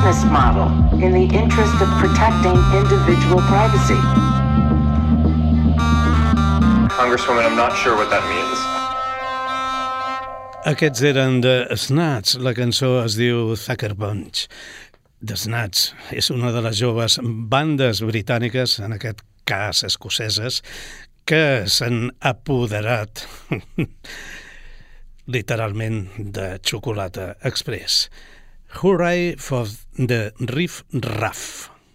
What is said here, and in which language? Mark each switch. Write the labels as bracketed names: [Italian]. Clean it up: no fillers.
[English] Model in the interest of protecting individual privacy. Congresswoman, I'm not sure what that means. [Catalan] Aquests eren de Snatch, la cançó es diu Sucker Punch. The Snatch és una de les joves bandes britàniques, en aquest cas escoceses, que s'han apoderat literalment de Xocolata Express. [English] Hooray for the Riff Raff.